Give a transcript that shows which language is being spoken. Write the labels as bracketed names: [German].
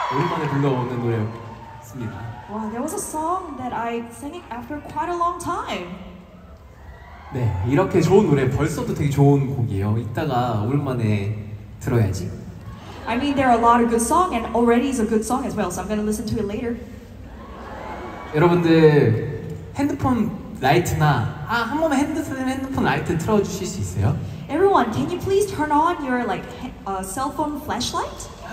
[English] Wow, there was a song that I sang it after quite a long time. [Korean] 네, 이렇게 좋은 노래 벌써도 되게 좋은 곡이에요. 이따가 오랜만에 들어야지. [English] I mean, there are a lot of good songs, and already is a good song as well. So I'm gonna listen to it later. [Korean] 여러분들 핸드폰 라이트나 아 한 번만 핸드폰 라이트 틀어주실 수 있어요? [English] Everyone, can you please turn on your like cell phone flashlight?